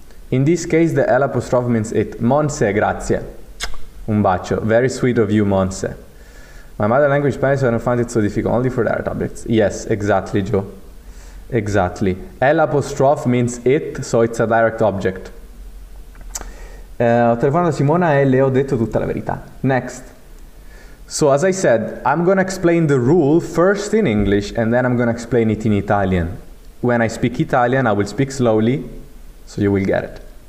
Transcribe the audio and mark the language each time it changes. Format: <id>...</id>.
<en>In this case, the L apostrophe means it. Monse,</en> <it>grazie. Un bacio.</it> <en>Very sweet of you, Monse. My mother language, Spanish, so I don't find it so difficult. Only for the art objects. Yes, exactly, Joe. Exactly. L apostrophe means it, so it's a direct object.</en> <it>Ho telefonato a Simona e le ho detto tutta la verità.</it> <en>Next. So, as I said, I'm gonna explain the rule first in English and then I'm gonna explain it in Italian. When I speak Italian, I will speak slowly, so you will get it.</en>